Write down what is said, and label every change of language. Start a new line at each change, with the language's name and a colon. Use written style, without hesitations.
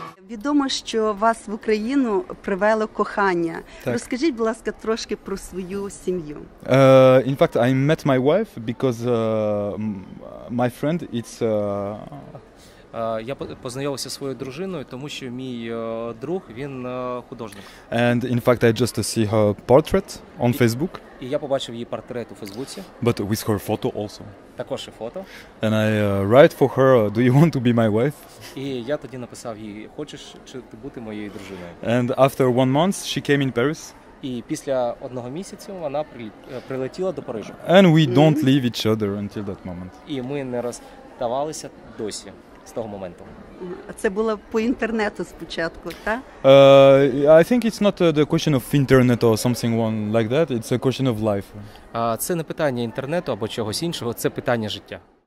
Ukrainian: Відомо, що вас в Україну привело кохання. Так. Розкажіть, будь ласка, трошки про свою сім'ю.
English: In fact, I met my wife because my friend it's
Ukrainian: Я познайомився зі своєю дружиною, тому що мій друг, він художник.
English: And in fact, I just see her portrait on Facebook.
Ukrainian: І я побачив її портрет у Фейсбуці.
English: But with her photo also.
Ukrainian: Також і фото.
English: And I write for her, do you want to be my wife?
Ukrainian: І я тоді написав їй, хочеш чи ти бути моєю дружиною?
English: And after one month, she came in Paris.
Ukrainian: І після одного місяця вона прилетіла до Парижу.
English: And we don't leave each other until that moment.
Ukrainian: І ми не розставалися досі. З того моменту. А це було по інтернету спочатку, так?
English: I think it's not the question of internet or something like that. It's a question of life.
Ukrainian: Це не питання інтернету або чогось іншого, це питання життя.